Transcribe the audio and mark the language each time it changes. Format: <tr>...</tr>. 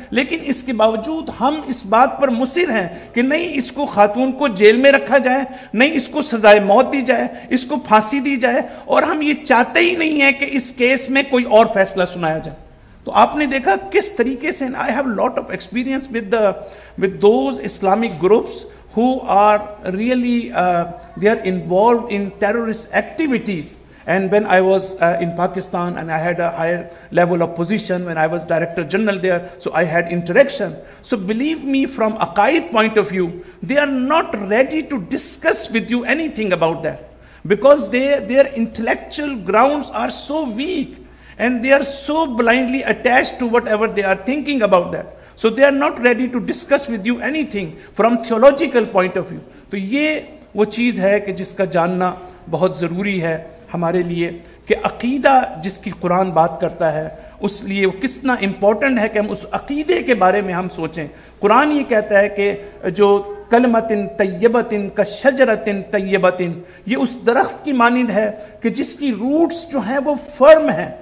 <ur>لیکن اس کے باوجود ہم اس بات پر مصر ہیں کہ نہیں, اس کو خاتون کو جیل میں رکھا جائے, نہیں اس کو سزائے موت دی جائے, اس کو پھانسی دی جائے, اور ہم یہ چاہتے ہی نہیں ہیں کہ اس کیس میں کوئی اور فیصلہ سنایا جائے. تو آپ نے دیکھا کس طریقے سے,</ur> <en>I have lot of experience with those Islamic groups who are really, they are involved in terrorist activities. And when I was in Pakistan and I had a higher level of position when I was director general there, so I had interaction. So believe me, from Aqaid point of view, they are not ready to discuss with you anything about that, because their intellectual grounds are so weak and they are so blindly attached to whatever they are thinking about that. So they are not ready to discuss with you anything from theological point of view.</en> <ur>تو یہ وہ چیز ہے کہ جس کا جاننا بہت ضروری ہے ہمارے لیے, کہ عقیدہ جس کی قرآن بات کرتا ہے اس لیے وہ کتنا امپورٹنٹ ہے کہ ہم اس عقیدے کے بارے میں ہم سوچیں. قرآن یہ کہتا ہے کہ جو</ur> <ar>کلمتن طیبتن</ar> <ur>کا</ur> <ar>شجرتن طیبتن,</ar> <ur>یہ اس درخت کی مانند ہے کہ جس کی روٹس جو ہیں وہ فرم ہیں.</ur>